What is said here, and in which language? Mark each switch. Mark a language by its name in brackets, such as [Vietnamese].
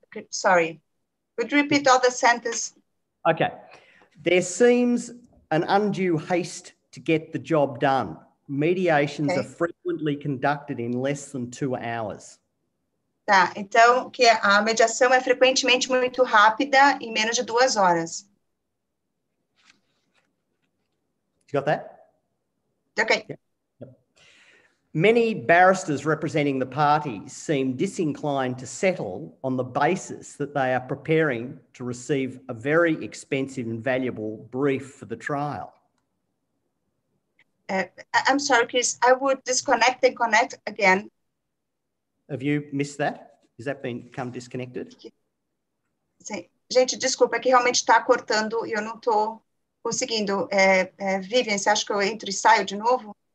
[English] Sorry, could you repeat all the sentences? Okay. There seems an undue haste to get the job done. Mediations are frequently conducted in less than 2 hours. [Portuguese] Tá, então que a mediação é frequentemente muito rápida em menos de 2 horas. [English] You got that? Okay. Yeah. Yep. Many barristers representing the party seem disinclined to settle on the basis that they are preparing to receive a very expensive and valuable brief for the trial. I'm sorry, Chris, I would disconnect and connect again. Have you missed that? Has that become disconnected? [Portuguese] Gente, desculpa, que realmente está cortando e eu não estou conseguindo. Vivian, você acha que eu entro e saio de novo?